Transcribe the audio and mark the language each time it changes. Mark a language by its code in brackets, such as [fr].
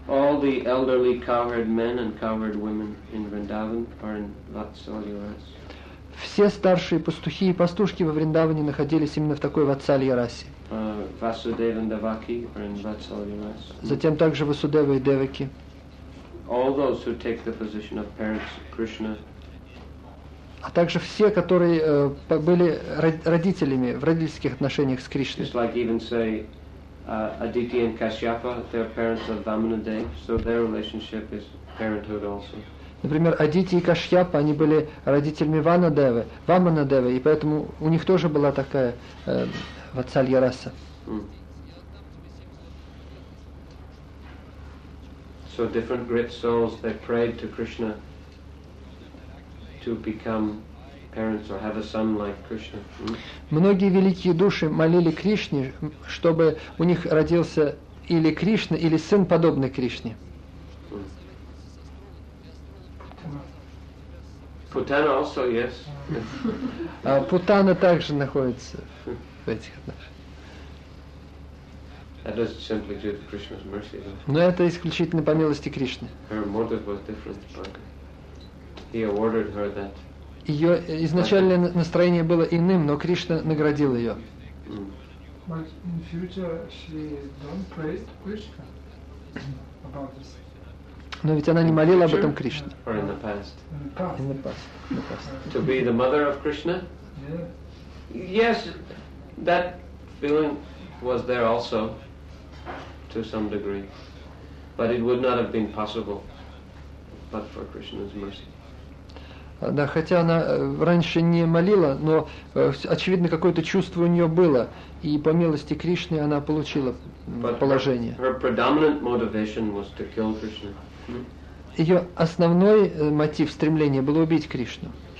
[en] All the elderly cowherd men and cowherd women in Vrindavan are in Vatsalya Rasa. [ru] Все старшие пастухи и пастушки во Вриндаване находились именно в такой Vatsalya Rasa. [en] Vasudeva and Devaki are in Vatsalya Rasa. [ru] Затем также Васудева и Деваки. [en] All those who take the position of parents of Krishna. [ru] А также все, которые были родителями в родительских отношениях с Кришной. [en] Just like even say Aditi and Kashyapa, they're parents of Vamanadeva, so their relationship is parenthood also. [ru] Например, Адити и Кашьяпа, они были родителями Ваманадевы, и поэтому у них тоже была такая Vatsalya Rasa. [en] So different great souls, they prayed to Krishna to become parents or have a son like Krishna. [ru] Многие великие души молили Кришне, чтобы у них родился или Кришна, или сын подобный Кришне. [en] Путана also, yes. [ru] Путана также находится в этих отношениях. [en] That is simply due to Krishna's mercy, though. [ru] Но это исключительно по милости Кришны. [en] Her motive was different, but he awarded her that. [ru] Ее изначальное настроение было иным, но Кришна наградил ее. [en] But in future she don't pray to Krishna about this. [ru] Но ведь она не молила об этом Кришне. [en] Or in the past. In the past. To be the mother of Krishna? Yeah. Yes, that feeling was there also, to some degree. But it would not have been possible, but for Krishna's mercy. [ru] Да, хотя она раньше не молила, но, очевидно, какое-то чувство у нее было. И по милости Кришны она получила положение. [en] Her predominant motivation was to kill Krishna. [ru] Ее основной мотив стремления было убить Кришну.